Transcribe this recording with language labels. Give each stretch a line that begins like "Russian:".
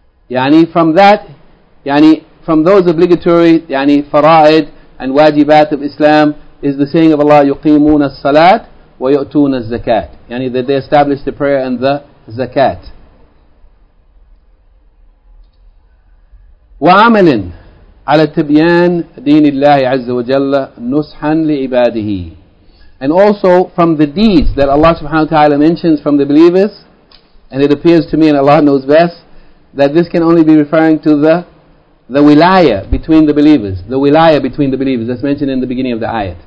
English: Yani from that, yani from those obligatory yani fara'id and wajibat of Islam is the saying of Allah,
Arabic: يُقِيمُونَ الصَّلَاةِ وَيُؤْتُونَ الزَّكَاةِ.
English: Yani that they establish the prayer and the zakat.
Arabic: وَعَمَلٍ على تبيان دين الله عز وجل نصحا لعباده.
English: And also from the deeds that Allah subhanahu wa ta'ala mentions from the believers, and it appears to me, and Allah knows best, that this can only be referring to the wilaya between the believers. The wilaya between the believers, that's mentioned in the beginning of the ayat.